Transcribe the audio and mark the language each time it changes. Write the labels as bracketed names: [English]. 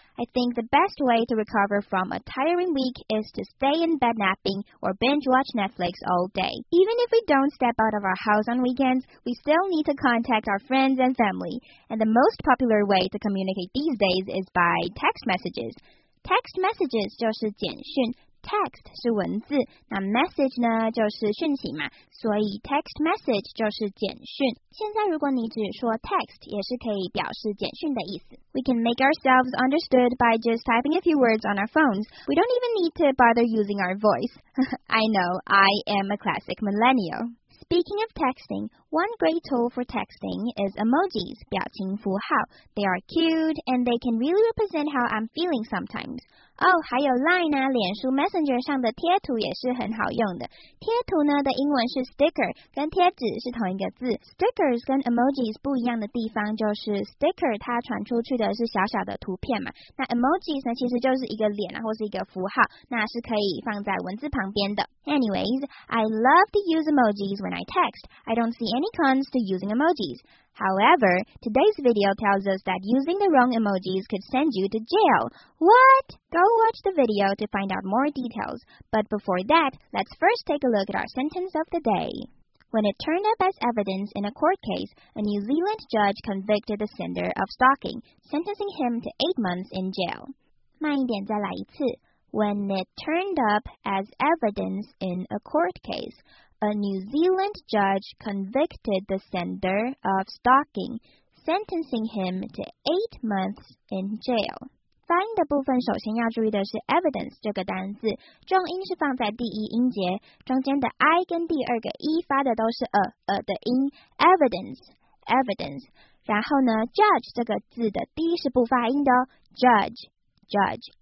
[English] I think the best way to recover from a tiring week is to stay in bed napping or binge watch Netflix all day. Even if we don't step out of our house on weekends, we still need to contact our friends and family. And the most popular way to communicate these days is by text messages. [Chinese] Text messages 就是简讯。 Text 是文字，那 message 呢就是讯息嘛，所以 text message 就是简讯。现在如果你只说 text 也是可以表示简讯的意思。 [English] We can make ourselves understood by just typing a few words on our phones. We don't even need to bother using our voice. I know, I am a classic millennial. Speaking of texting, one great tool for texting is emojis, [Chinese] 表情符号。 [English] They are cute and they can really represent how I'm feeling sometimes. [Chinese] Oh, 还有 Line 啊，脸书 Messenger 上的贴图也是很好用的。贴图呢的英文是 sticker， 跟贴纸是同一个字。 Stickers 跟 emojis 不一样的地方就是 sticker 它传出去的是小小的图片嘛，那 emojis 呢其实就是一个脸啊或是一个符号，那是可以放在文字旁边的。 [English] Anyways, I love to use emojis when I text. I don't see any cons to using emojis. However, today's video tells us that using the wrong emojis could send you to jail. What? Go watch the video to find out more details. But before that, let's first take a look at our sentence of the day. When it turned up as evidence in a court case, a New Zealand judge convicted the sender of stalking, sentencing him to 8 months in jail. [Chinese] 慢一点再来一次。 [English] When it turned up as evidence in a court case,A New Zealand judge convicted the sender of stalking, sentencing him to 8 months in jail. [Chinese] 发音的部分首先要注意的是 evidence 这个单字，重音是放在第一音节，中间的 I 跟第二个 E 发的都是 a 的音 ，evidence, evidence. 然后呢 ，judge 这个字的 D 是不发音的哦 ，judge, judge.